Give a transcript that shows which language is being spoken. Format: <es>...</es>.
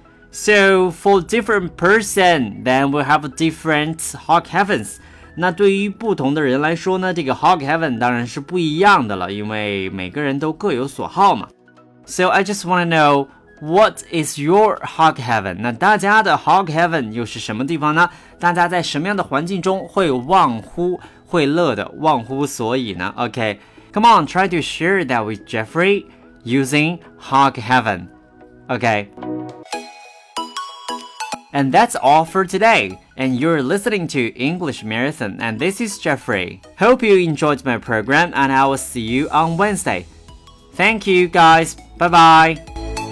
<en>So, for different person, then we have different Hog Heavens.</en> <zh>那对于不同的人来说呢，这个 Hog Heaven 当然是不一样的了，因为每个人都各有所好嘛。</zh> <en>So, I just want to know, what is your Hog Heaven?</en> <zh>那大家的 Hog Heaven 又是什么地方呢？大家在什么样的环境中会忘乎会乐的忘乎所以呢 ？</zh> <en>OK, come on, try to share that with Jeffrey using Hog Heaven. OK, and that's all for today. And you're listening to English Marathon, and this is Jeffrey. Hope you enjoyed my program, and I will see you on Wednesday. Thank you, guys. Bye bye.</en>